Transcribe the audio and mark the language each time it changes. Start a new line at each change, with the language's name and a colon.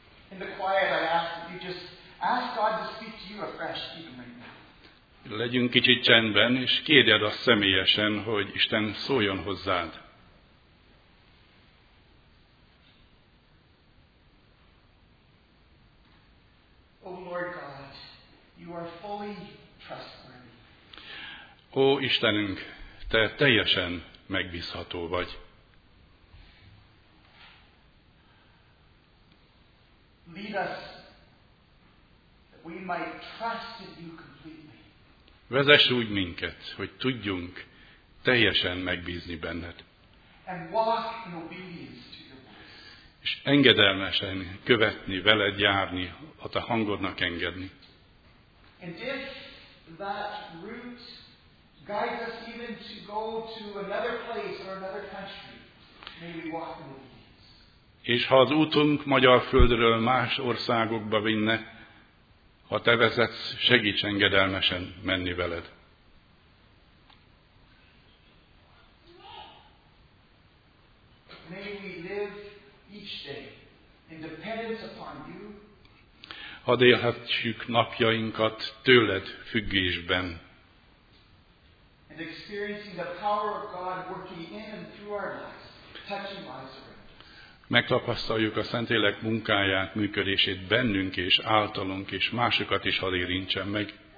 English: In the quiet I ask that you just ask God to speak to you afresh even right now.
Hungarian: Legyünk kicsit csendben, és kérjed azt személyesen, hogy Isten szóljon hozzád.
English: O Lord God, you are fully trustworthy.
Hungarian: Ó Istenünk, te teljesen megbízható vagy.
English: Lead us that we might trust in you completely.
Hungarian: Vezess úgy minket, hogy tudjunk teljesen megbízni benned.
English: And walk in obedience to your voice.
Hungarian: És engedelmesen követni, veled járni, a te hangodnak engedni.
English: And if that route guides us even to go to another place or another country, may we walk in obedience.
Hungarian: És ha az útunk magyar földről más országokba vinne, ha te vezetsz, segíts engedelmesen menni veled.
English: May we live each day in dependence upon you.
Hungarian: Hadd élhetjük napjainkat tőled függésben.
English: And experiencing the power of God working in and through our lives, touching lives around.
Hungarian: Megtapasztaljuk a Szentlélek munkáját, működését bennünk és általunk, és másokat is hadd érintsen meg.